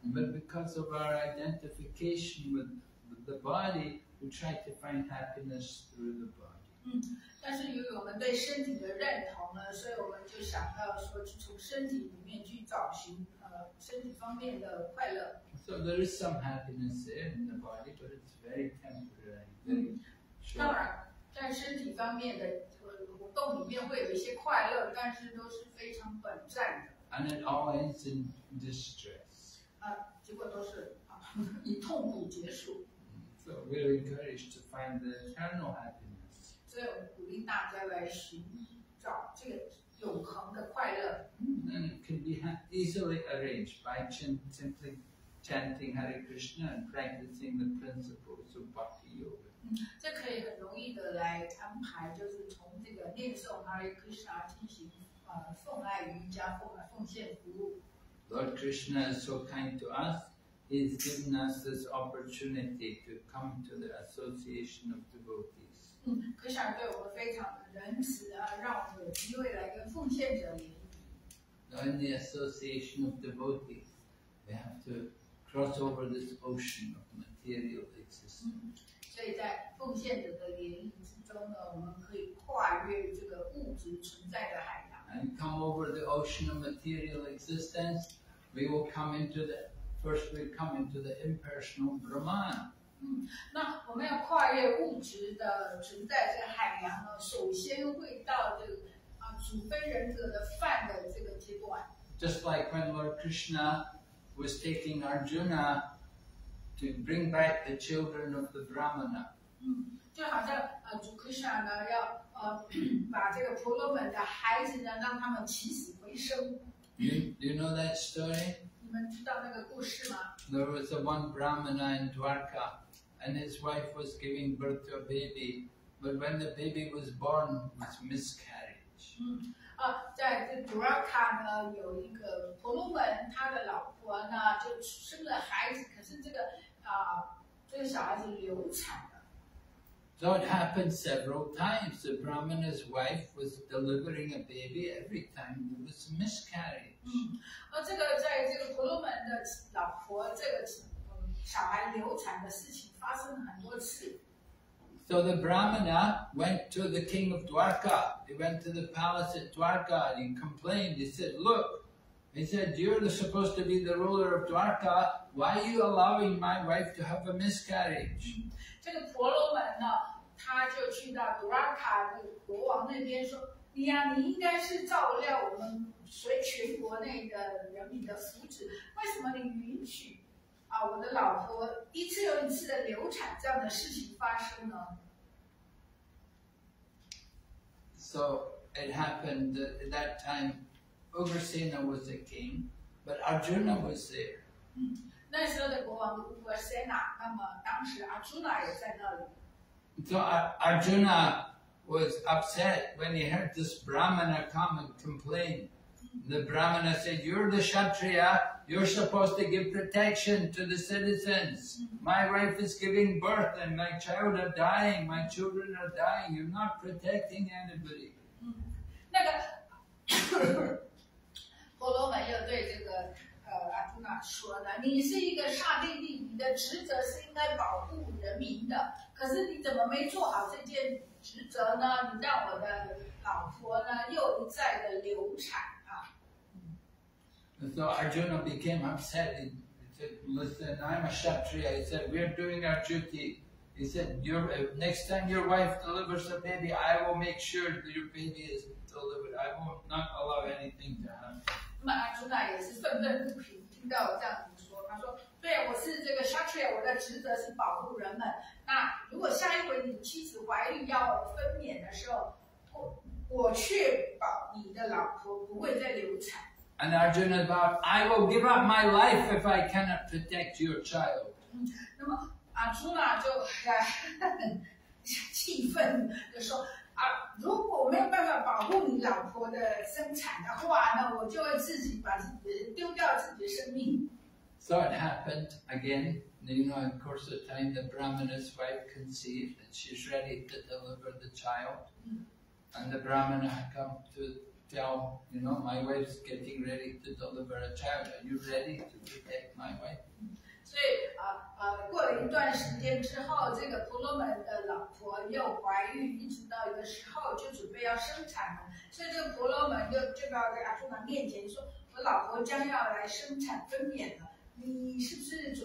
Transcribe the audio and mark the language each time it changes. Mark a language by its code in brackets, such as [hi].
[en] But because of our identification with the body, we try to find happiness through the body. [zh] 但是由于我们对身体的认同呢，所以我们就想到说去从身体里面去找寻身体方面的快乐。 [en] So there is some happiness there in the body, but it's very temporary. [zh] 当然，在身体方面的活动里面会有一些快乐，但是都是非常短暂的。 [en] And it all ends in distress. [zh] 结果都是以痛苦结束。 [en] So we are encouraged to find the eternal happiness. [zh] 所以我们鼓励大家来寻找这个永恒的快乐。 [en] Then it can be easily arranged by simply chanting Hare Krishna and practicing the principles of Bhakti Yoga. [zh] 这可以很容易的来安排，就是从这个念诵 Hare Krishna 进行奉爱瑜伽奉献服务。 [en] Lord Krishna is so kind to us, he's given us this opportunity to come to the association of devotees. [zh] 可想对我们非常的仁慈啊，让我们有机会来跟奉献者联谊。 [en] In the association of devotees, we have to cross over this ocean of material existence. [zh] 所以在奉献者的联谊之中呢，我们可以跨越这个物质存在的海洋。 [en] And come over the ocean of material existence, we will come into the first. We come into the impersonal Brahman. [zh] 那我们要跨越物质的存在这个海洋呢，首先会到这个主非人格的梵的这个阶段。 [en] Just like when Lord Krishna was taking Arjuna to bring back the children of the Brahmana. [zh] 就好像主 Krishna 呢要把这个婆罗门的孩子呢让他们起死回生。 [en] Do you know that story? [zh] 你们知道那个故事吗？ [en] There was a one Brahmana in Dwarka, and his wife was giving birth to a baby, but when the baby was born, it was miscarriage. [zh] 在这 Dwarka 呢有一个婆罗门，他的老婆呢就生了孩子，可是这个小孩子流产了。 [en] So it happened several times. The Brahmana's wife was delivering a baby every time there was a miscarriage. [zh] 在这个婆罗门的老婆这个小孩流产的事情发生很多次。 [en] So the Brahmana went to the king of Dwarka. He went to the palace at Dwarka and he complained. He said, you're supposed to be the ruler of Dwarka. Why are you allowing my wife to have a miscarriage? [zh] 这个婆罗门呢，他就去到 Dwarka 的国王那边说，你呀，你应该是照料我们全国内的人民的福祉，为什么你允许我的老婆一次又一次的流产这样的事情发生呢？ [en] So it happened at that time, Ugrasena was the king, but Arjuna was there. [zh] 那时候的国王乌格塞纳，那么当时阿朱那也在那里。 [en] So Arjuna was upset when he heard this Brahmana come and complain. The Brahmana said, you're the Kshatriya, you're supposed to give protection to the citizens. My wife is giving birth and my child are dying, my children are dying, you're not protecting anybody. [zh] 那个婆罗门又对这个阿朱那说呢，你是一个刹帝利，你的职责是应该保护人民的，可是你怎么没做好这件职责呢？你让我的老婆呢又一再的流产。 [en] So Arjuna became upset. He said, listen, I'm a Kshatriya. He said, we're doing our duty. He said, next time your wife delivers a baby, I will make sure that your baby is delivered. I will not allow anything to happen. [zh] 那阿朱那也是愤愤不平，听到这样子说，他说，对，我是这个 Kshatriya， 我的职责是保护人们。那如果下一回你妻子怀孕要分娩的时候，我确保你的老婆不会再流产。 [en] And Arjuna vowed, I will give up my life if I cannot protect your child. [zh] 那么阿朱那就很气愤地说，如果没有办法保护你老婆的生产的话呢，我就会自己把自己丢掉自己的生命。 [en] So it happened again. You know, in course of time, the brahmana's wife conceived, and she's ready to deliver the child. And the brahmana come to tell, you know, my wife's getting ready to deliver a child. Are you ready to protect my wife? [zh] 所以过了一段时间之后，这个婆罗门的老婆又怀孕，一直到一个时候就准备要生产了。所以这个婆罗门就到这个阿朱那面前说：“我老婆将要来生产分娩了。”